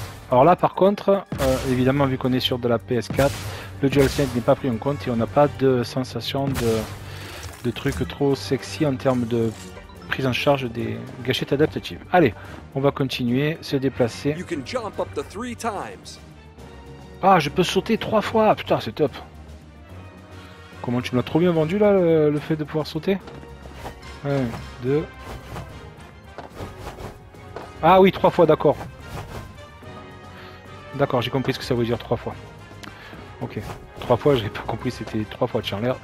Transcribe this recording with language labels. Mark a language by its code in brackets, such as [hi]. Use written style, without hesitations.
[fr] Alors là par contre, évidemment vu qu'on est sur de la PS4, le DualSense n'est pas pris en compte et on n'a pas de sensation de truc trop sexy en termes de prise en charge des gâchettes adaptatives. Allez, on va continuer, se déplacer. [en] You can jump up to three times. [fr] Ah, je peux sauter trois fois. Putain, c'est top. Comment tu me l'as trop bien vendu, là, le fait de pouvoir sauter. 1, 2... Ah oui, trois fois, d'accord. D'accord, j'ai compris ce que ça veut dire, trois fois. Ok. Trois fois, j'ai pas compris, c'était trois fois, tiens, l'air.